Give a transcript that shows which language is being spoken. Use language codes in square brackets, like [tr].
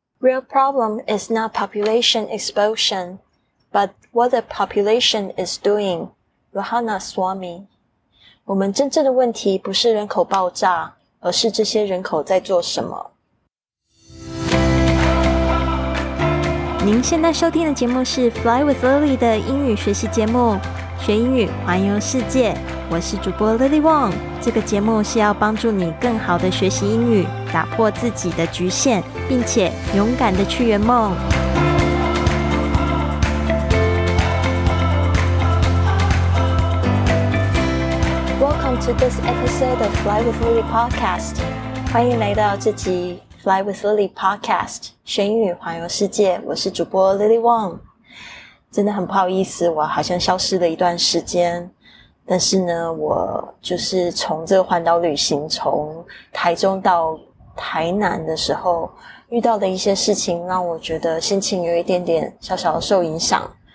[en] Real problem is not population explosion, but what the population is doing. Rahana Swami. [zh] 我们真正的问题不是人口爆炸，而是这些人口在做什么。您现在收听的节目是 Fly with Lily 的英语学习节目，学英语环游世界。我是主播 Lily Wong。这个节目是要帮助你更好的学习英语，打破自己的局限，并且勇敢的去圆梦。 [en] Welcome to this episode of Fly with Lily Podcast. [zh] 欢迎来到这集 Fly with Lily Podcast， 学英语环游世界。我是主播 Lily Wong。真的很不好意思，我好像消失了一段时间。但是呢，我就是从这个环岛旅行从台中到台南的时候遇到的一些事情，让我觉得心情有一点点小小的受影响。